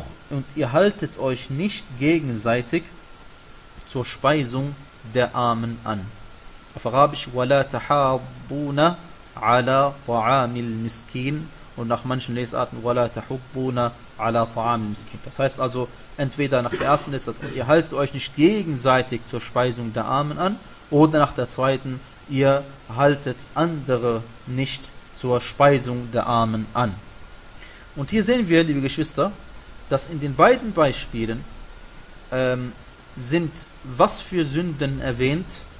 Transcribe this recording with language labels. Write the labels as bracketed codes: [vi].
[de] Und ihr haltet euch nicht gegenseitig zur Speisung der Armen an. Auf Arabisch, [ar] وَلَا تَحَاضُّونَ عَلَى طَعَامِ الْمِسْكِينَ. [de] Und nach manchen Lesarten, [ar] وَلَا تَحُبُّونَ عَلَى طَعَامِ الْمِسْكِينَ. [de] Das heißt also, entweder nach der ersten Lesart, und ihr haltet euch nicht gegenseitig zur Speisung der Armen an, oder nach der zweiten, ihr haltet andere nicht zur Speisung der Armen an. Und hier sehen wir, liebe Geschwister, dass in den beiden Beispielen sind was für Sünden erwähnt?